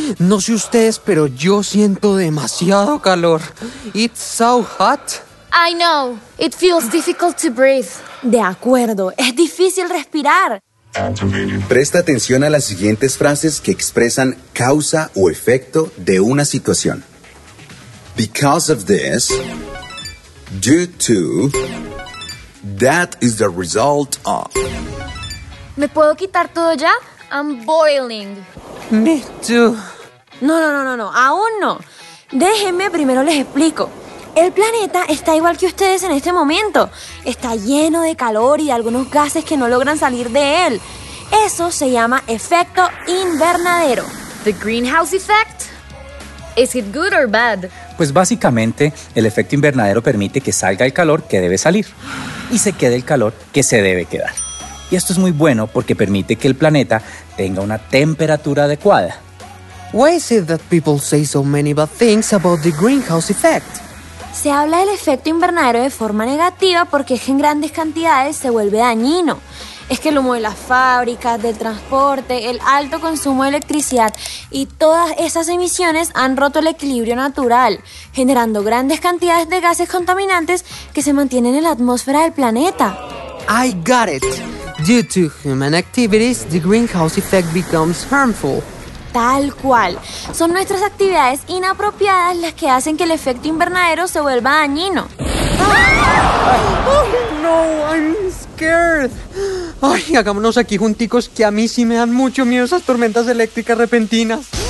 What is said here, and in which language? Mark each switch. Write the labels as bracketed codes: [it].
[es] No sé ustedes, pero yo siento demasiado calor. [en] It's so hot. I know. It feels difficult to breathe. [es] De acuerdo, es difícil respirar. Presta atención a las siguientes frases que expresan causa o efecto de una situación. [en] Because of this, due to, that is the result of. [es] ¿Me puedo quitar todo ya? [en] I'm boiling. Me too. [es] No, aún no. Déjenme primero les explico. El planeta está igual que ustedes en este momento. Está lleno de calor y de algunos gases que no logran salir de él. Eso se llama efecto invernadero. [en] The greenhouse effect? Is it good or bad? [es] Pues básicamente, el efecto invernadero permite que salga el calor que debe salir y se quede el calor que se debe quedar. Y esto es muy bueno porque permite que el planeta tenga una temperatura adecuada. [en] Why is it that people say so many bad things about the greenhouse effect? [es] Se habla del efecto invernadero de forma negativa porque es que en grandes cantidades se vuelve dañino. Es que el humo de las fábricas, del transporte, el alto consumo de electricidad y todas esas emisiones han roto el equilibrio natural, generando grandes cantidades de gases contaminantes que se mantienen en la atmósfera del planeta. [en] I got it. Due to human activities, the greenhouse effect becomes harmful. [es] Tal cual. Son nuestras actividades inapropiadas las que hacen que el efecto invernadero se vuelva dañino. [en] No, I'm scared. [es] Ay, hagámonos aquí junticos, que a mí sí me dan mucho miedo esas tormentas eléctricas repentinas.